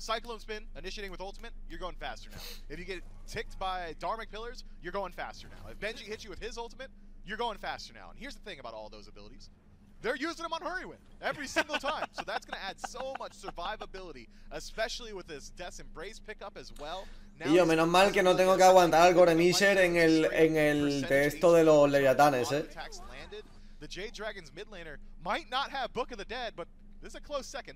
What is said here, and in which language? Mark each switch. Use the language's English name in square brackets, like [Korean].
[English] Cyclone Spin, initiating with ultimate, you're going faster now. If you get ticked by Dharmic Pillars, you're going faster now. If Benji hits you with his ultimate, you're going faster now. And here's the thing about all those abilities. They're using them on Hurrywind every single time. So that's going to add so much survivability, especially with this Death's Embrace pickup as well. [Spanish] Y yo, menos mal que no tengo que aguantar al Goremisher en el texto de los Leviatanes, ¿eh? [English] The Jade Dragon's mid laner might not have Book of the Dead, but this is a close second.